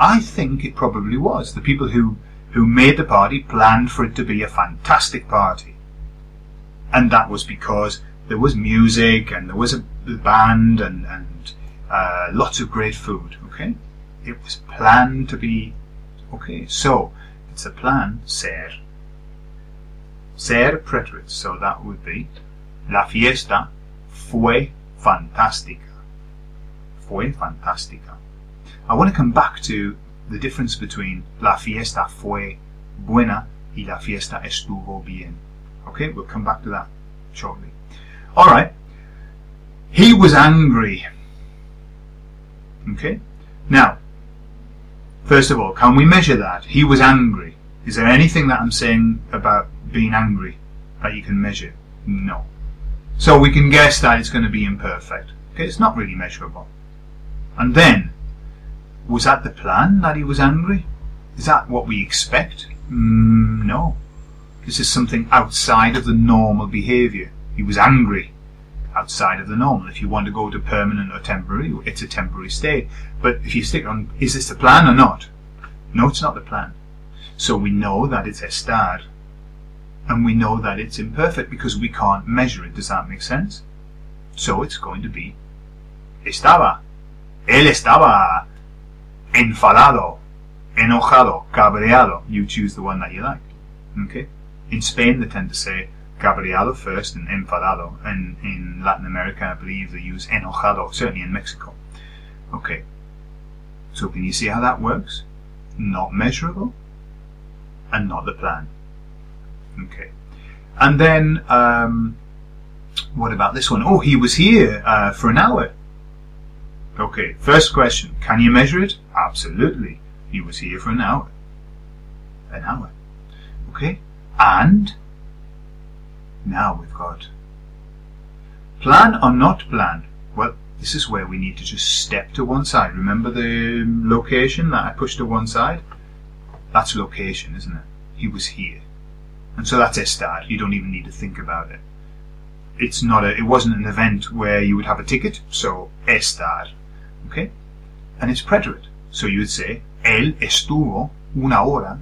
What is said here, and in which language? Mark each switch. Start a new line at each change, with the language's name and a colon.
English: I think it probably was. The people who made the party planned for it to be a fantastic party. And that was because there was music and there was a band and lots of great food, okay? It was planned to be, okay. So, it's a plan, ser. Ser preterite, so that would be,
Spanish: la fiesta fue fantástica. Fue fantástica.
English: I want to come back to the difference between
Spanish: la fiesta fue buena y la fiesta estuvo bien.
English: Okay, we'll come back to that shortly. All right, he was angry. Okay, now, first of all, can we measure that? He was angry. Is there anything that I'm saying about being angry that you can measure? No. So we can guess that it's going to be imperfect. Okay, it's not really measurable. And then, was that the plan that he was angry? Is that what we expect? No. This is something outside of the normal behavior. He was angry. Outside of the normal. If you want to go to permanent or temporary, it's a temporary state. But if you stick on, is this the plan or not? No, it's not the plan. So we know that it's estar. And we know that it's imperfect because we can't measure it. Does that make sense? So it's going to be estaba.
Spanish: Él estaba enfadado, enojado, cabreado.
English: You choose the one that you like. Okay? In Spain, they tend to say cabreado first and enfadado. And in Latin America, I believe they use enojado, certainly in Mexico. Okay. So can you see how that works? Not measurable and not the plan. Okay. And then, what about this one? Oh, he was here for an hour. Okay, first question. Can you measure it? Absolutely. He was here for an hour. An hour. Okay. And now we've got plan or not plan. Well, this is where we need to just step to one side. Remember the location that I pushed to one side? That's location, isn't it? He was here. And so that's Estad. You don't even need to think about it. It's not a, it wasn't an event where you would have a ticket, so Estad. Okay? And it's preterite. So you would say,
Spanish: él estuvo una hora.